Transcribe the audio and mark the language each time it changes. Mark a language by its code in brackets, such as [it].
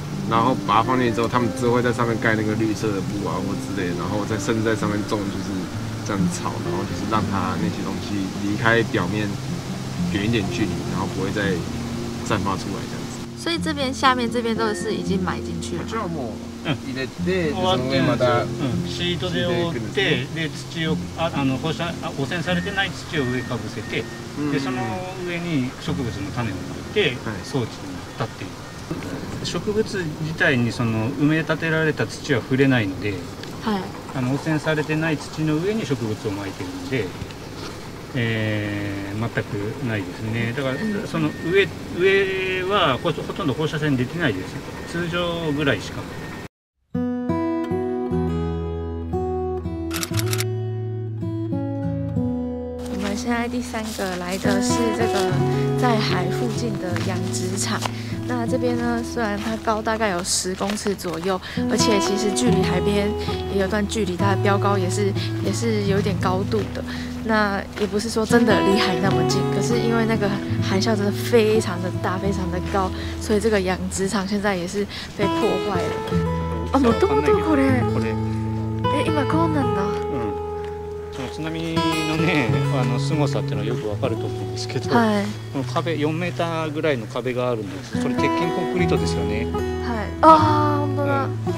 [zh] 然后把它放进去之后，他们之后会在上面盖那个绿色的布啊或之类的，然后再甚至在上面种就是这样子草，然后就是让它那些东西离开表面远一点距离，然后不会再散发出来这样子。所以这边下面这边都是已经埋进去了。这样么？嗯。 [ja] 入れて、そのまた、シートで覆って、で土を放射汚染されてない土を上かぶせて、でその上に植物の種を置いて装置に立っている。植物自体にその埋め立てられた土は触れないので、はい、汚染されてない土の上に植物を撒いているので、全くないですね。だからその上はほとんど放射線出てないです。通常ぐらいしか。 [zh] 现在第三个来的是这个在海附近的养殖场，那这边呢虽然它高大概有10公尺左右，而且其实距离海边也有段距离，它的标高也是有点高度的，那也不是说真的离海那么近，可是因为那个海啸真的非常的大非常的高，所以这个养殖场现在也是被破坏了。 [ja] 啊，もともとこれ、え、今こうなんだ。津波のね、凄さっていうのはよくわかると思うんですけど、はい、この壁4メーターぐらいの壁があるんです。これ鉄筋コンクリートですよね。はい。ああ、本当だ。